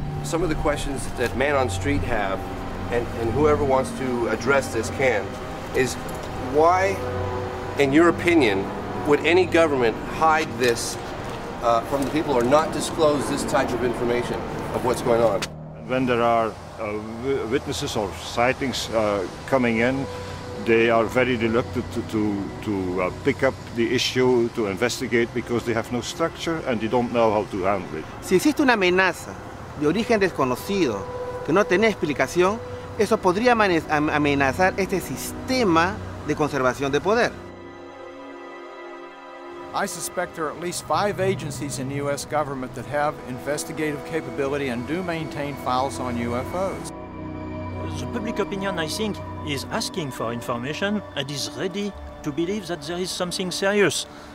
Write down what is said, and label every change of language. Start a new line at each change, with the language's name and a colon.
English: Some of the questions that man on street have, and whoever wants to address this can, is why, in your opinion, would any government hide this from the people or not disclose this type of information of what's going on? When there are witnesses or sightings coming in, they are very reluctant to pick up the issue, to investigate, because they have no structure and they don't know how to handle it.
Spanish: Si existe una amenaza de origen desconocido que no tiene explicación, eso podría amenazar este sistema de conservación de poder.
English: I suspect there are at least five agencies in the U.S. government that have investigative capability and do maintain files on UFOs. The public opinion, I think, is asking for information and is ready to believe that there is something serious.